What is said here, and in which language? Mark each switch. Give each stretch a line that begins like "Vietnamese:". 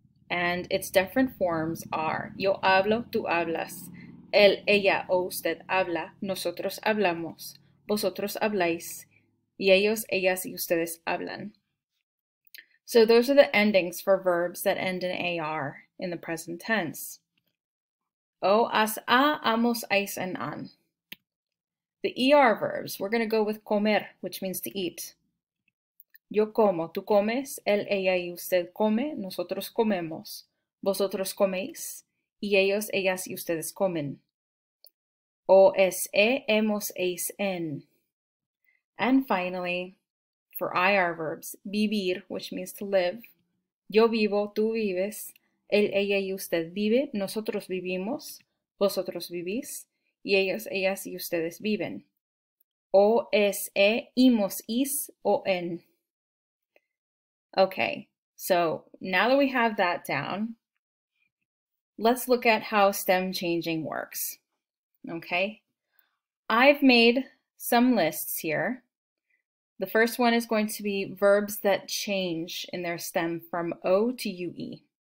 English: And its different forms are
Spanish: yo hablo, tú hablas, él, ella o usted habla, nosotros hablamos, vosotros habláis, y ellos, ellas y ustedes hablan.
English: So those are the endings for verbs that end in AR in the present tense. O, as, a, amos, eis, and an. The ER verbs, we're going to go with comer, which means to eat.
Spanish: Yo como, tú comes, él, ella y usted come, nosotros comemos, vosotros coméis, y ellos, ellas y ustedes comen. O es, e, hemos, eis, en.
English: And finally, for IR verbs, vivir, which means to live.
Spanish: Yo vivo, tú vives, él, ella y usted vive, nosotros vivimos, vosotros vivís, y ellos, ellas y ustedes viven. O es, e, imos, is, o en.
English: Okay, so now that we have that down, let's look at how stem changing works. Okay, I've made some lists here. The first one is going to be verbs that change in their stem from O to UE.